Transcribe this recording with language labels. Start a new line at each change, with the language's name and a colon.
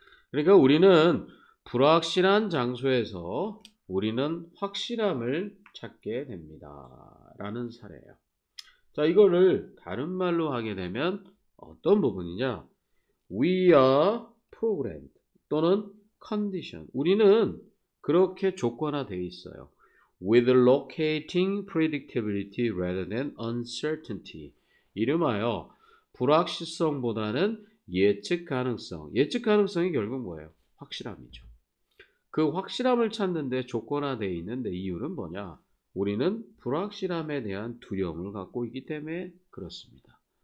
Korean: 그러니까 우리는 불확실한 장소에서 우리는 확실함을 찾게 됩니다. 라는 사례예요. 자, 이거를 다른 말로 하게 되면 어떤 부분이냐?
English: We are programmed 또는 conditioned.
Korean: 우리는 그렇게 조건화되어 있어요.
English: With locating predictability rather than uncertainty.
Korean: 이름하여 불확실성보다는 예측 가능성. 예측 가능성이 결국 뭐예요? 확실함이죠. 그 확실함을 찾는데 조건화되어 있는데 이유는 뭐냐? 우리는 불확실함에 대한 두려움을 갖고 있기 때문에 그렇습니다.